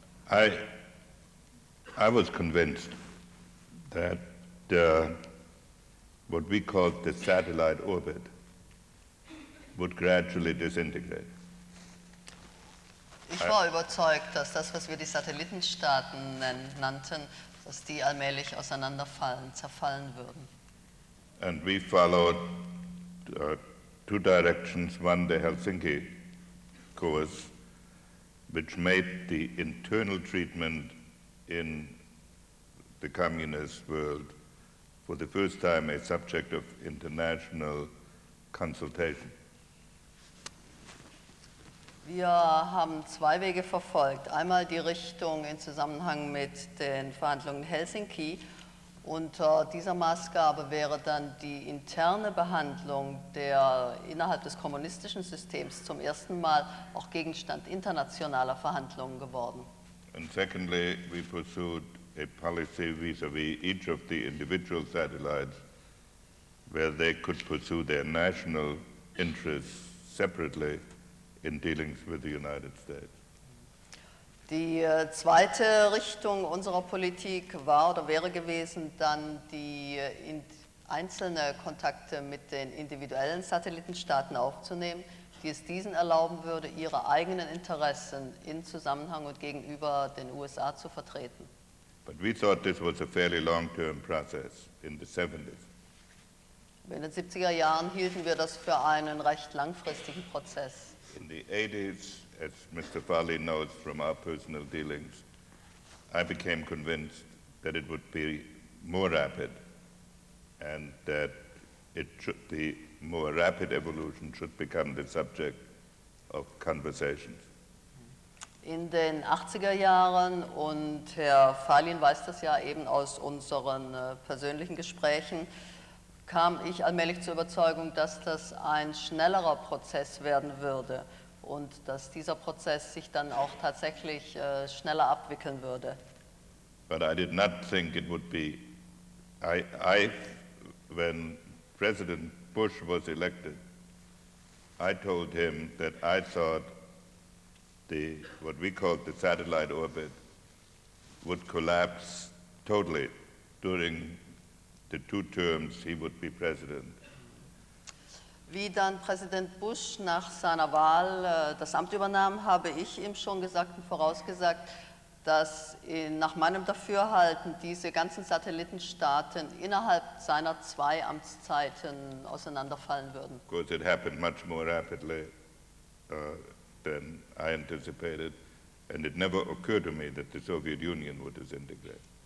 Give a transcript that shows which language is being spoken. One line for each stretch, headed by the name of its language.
English: I was convinced that what we called the satellite orbit would gradually disintegrate.
German: Ich war überzeugt, dass das, was wir die Satellitenstaaten nannten, dass die allmählich auseinanderfallen, zerfallen würden.
English: And we followed two directions. One, the Helsinki course, which made the internal treatment in the communist world for the first time a subject of international consultation.
German: Wir haben zwei Wege verfolgt. Einmal die Richtung in Zusammenhang mit den Verhandlungen in Helsinki. Unter dieser Maßgabe wäre dann die interne Behandlung der innerhalb des kommunistischen Systems zum ersten Mal auch Gegenstand internationaler Verhandlungen geworden.
English: And secondly, we pursued a policy vis-à-vis each of the individual satellites, where they could pursue their national interests separately in dealings with the United States.
German: Die zweite Richtung unserer Politik war oder wäre gewesen, dann die einzelne Kontakte mit den individuellen Satellitenstaaten aufzunehmen, die es diesen erlauben würde, ihre eigenen Interessen in Zusammenhang und gegenüber den USA zu vertreten.
English: But we thought this was a fairly long-term process in the 70s.
German: In den 70er Jahren hielten wir das für einen recht langfristigen Prozess.
English: In the 80s, as Mr. Falin knows from our personal dealings, I became convinced that it would be more rapid and that it should be more rapid evolution should become the subject of conversations.
German: In den 80er Jahren, und Herr Falin weiß das ja eben aus unseren persönlichen Gesprächen, kam ich allmählich zur Überzeugung, dass das ein schnellerer Prozess werden würde und dass dieser Prozess sich dann auch tatsächlich schneller abwickeln würde.
English: But I did not think it would be. I, when President Bush was elected, I told him that I thought the what we called the satellite orbit would collapse totally during the two terms he would be president.
German: Wie dann Präsident Bush nach seiner Wahl das Amt übernahm, habe ich ihm schon gesagt und vorausgesagt, dass nach meinem Dafürhalten diese ganzen Satellitenstaaten innerhalb seiner zwei Amtszeiten auseinanderfallen würden.
English: Of course, it happened much more rapidly than I anticipated, and it never occurred to me that the Soviet Union would disintegrate.